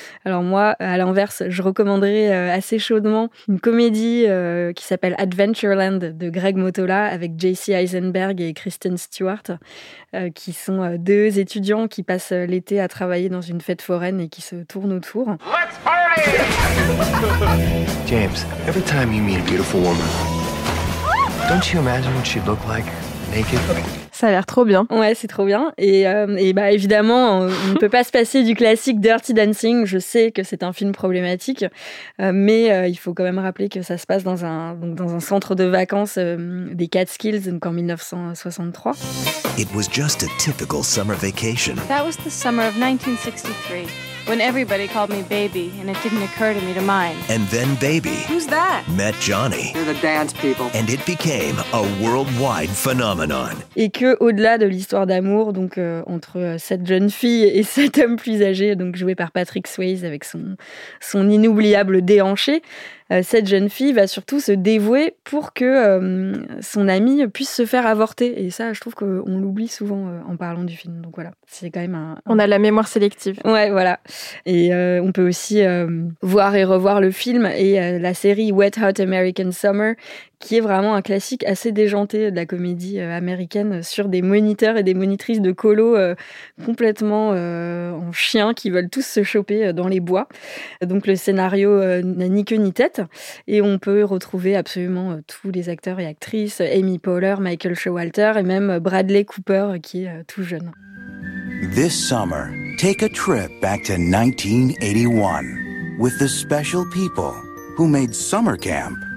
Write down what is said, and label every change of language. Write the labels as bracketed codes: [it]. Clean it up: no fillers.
[fr] Alors moi, à l'inverse, je recommanderais assez chaudement une comédie qui s'appelle Adventureland de Greg Mottola avec Jesse Eisenberg et Kristen Stewart, qui sont deux étudiants qui passent l'été à travailler dans une fête foraine et qui se tournent autour. [en] Let's party! James, every time you meet a beautiful woman, don't you imagine what she'd look like naked? [fr] Ça a l'air trop bien. Ouais, c'est trop bien. Et bah évidemment, on ne peut pas se passer du classique Dirty Dancing. Je sais que c'est un film problématique, mais il faut quand même rappeler que ça se passe dans un centre de vacances des Catskills, donc en 1963. [en] It was just a typical summer vacation. That was the summer of 1963, when everybody called me baby, and it didn't occur to me to mind. And then baby. Who's that? Met Johnny. They're the dance people. And it became a worldwide phenomenon. [fr] Et que au-delà de l'histoire d'amour, donc entre cette jeune fille et cet homme plus âgé, donc joué par Patrick Swayze avec son inoubliable déhanché, cette jeune fille va surtout se dévouer pour que son amie puisse se faire avorter. Et ça, je trouve qu'on l'oublie souvent en parlant du film. Donc voilà, c'est quand même un... On a la mémoire sélective. Ouais, voilà. Et on peut aussi voir et revoir le film et la série Wet Hot American Summer, qui est vraiment un classique assez déjanté de la comédie américaine sur des moniteurs et des monitrices de colo complètement en chien qui veulent tous se choper dans les bois. Donc le scénario n'a ni queue ni tête. Et on peut retrouver absolument tous les acteurs et actrices, Amy Poehler, Michael Showalter et même Bradley Cooper qui est tout jeune. [en] This summer, take a trip back to 1981 with the special people who made summer camp